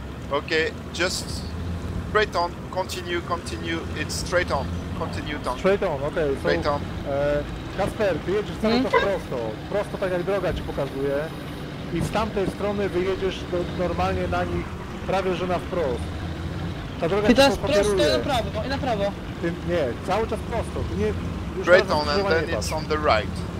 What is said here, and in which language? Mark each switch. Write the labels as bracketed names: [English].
[English] Okay, just straight on, continue, it's straight on, continue tank. Straight on, okay. So, straight on. [Polish] Kasper, ty jedziesz cały czas prosto. Prosto tak jak droga ci pokazuje. I z tamtej strony wyjedziesz normalnie na nich, prawie że na wprost. Ta droga ty teraz prosto i na prawo. Ty, nie, cały czas prosto. Ty nie, [English] straight on and then it's on the right.